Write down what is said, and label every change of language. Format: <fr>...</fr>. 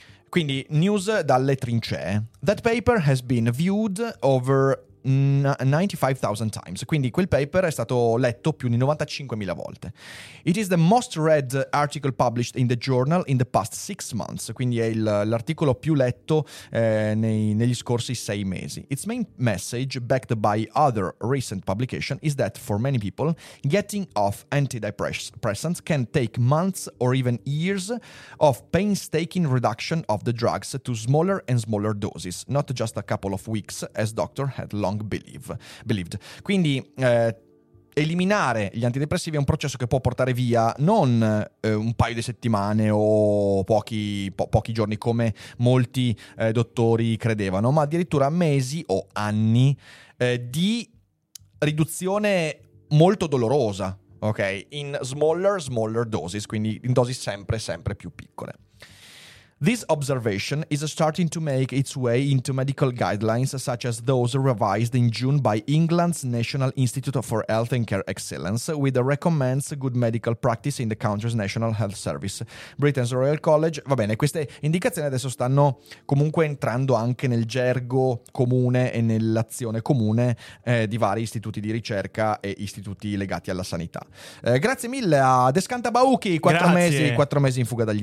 <it>Quindi, news dalle trincee.</it> <en>That paper has been viewed over 95,000 times.</en> <it>Quindi quel paper è stato letto più di 95,000 volte.</it> <en>It is the most read article published in the journal in the past 6 months.</en> <it>Quindi è l'articolo più letto negli scorsi 6 mesi.</it> <en>Its main message, backed by other recent publication, is that for many people, getting off antidepressants can take months or even years of painstaking reduction of the drugs to smaller and smaller doses, not just a couple of weeks, as doctor had long believed.</en> <it>Quindi eliminare gli antidepressivi è un processo che può portare via non un paio di settimane o pochi giorni come molti dottori credevano, ma addirittura mesi o anni di riduzione molto dolorosa, ok?</it> <en>In smaller doses,</en> <it>quindi in dosi sempre più piccole.</it> <en>This observation is starting to make its way into medical guidelines such as those revised in June by England's National Institute for Health and Care Excellence, with a recommends good medical practice in the country's National Health Service. Britain's Royal College.</en> <it>Va bene, queste indicazioni adesso stanno comunque entrando anche nel gergo comune e nell'azione comune di vari istituti di ricerca e istituti legati alla sanità. Grazie mille a Descantabauchi, quattro mesi in fuga dagli</it>